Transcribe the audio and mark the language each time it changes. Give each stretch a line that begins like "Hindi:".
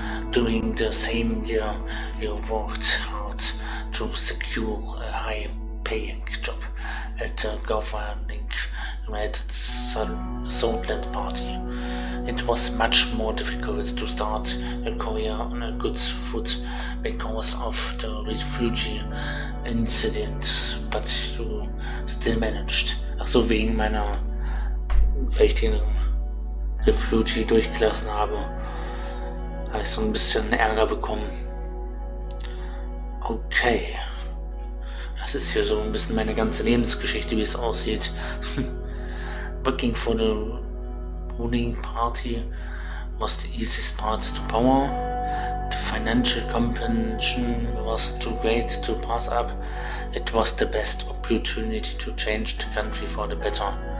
English: During the same year, you worked hard to secure a high-paying job at the governing United Southland Party. It was much more difficult to start a career on a good foot because of the refugee incident, but you still managed.
German: Ach so, wegen meiner, weil ich den Refugee durchgelassen habe, habe ich so ein bisschen Ärger bekommen. Okay. Das ist hier so ein bisschen meine ganze Lebensgeschichte, wie es aussieht.
English: Working for the ruling party was the easiest path to power. The financial compensation was too great to pass up. It was the best opportunity to change the country for the better.